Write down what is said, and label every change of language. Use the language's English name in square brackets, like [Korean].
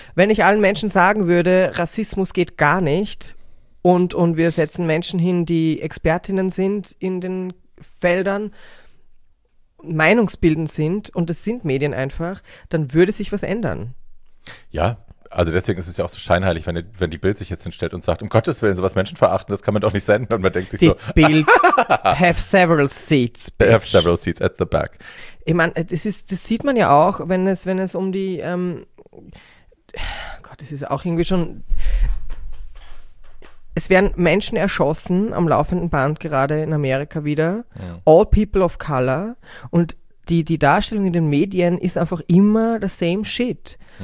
[German] Wenn ich allen Menschen sagen würde, Rassismus geht gar nicht und wir setzen Menschen hin, die Expertinnen sind in den Feldern, meinungsbildend sind und es sind Medien einfach, dann würde sich was ändern. Ja. Also deswegen ist es ja auch so scheinheilig, wenn die Bild sich jetzt hinstellt und sagt, um Gottes Willen, sowas menschenverachten, das kann man doch nicht senden. Und man denkt sich die so. [English] Die Bild have several seats, bitch. Have several seats at the back. [German] Ich meine, das sieht man ja auch, wenn es um die, Gott, das ist auch irgendwie schon, es werden Menschen erschossen am laufenden Band, gerade in Amerika wieder, [English] all people of color, [German] und die Darstellung in den Medien ist einfach immer [English] the same shit.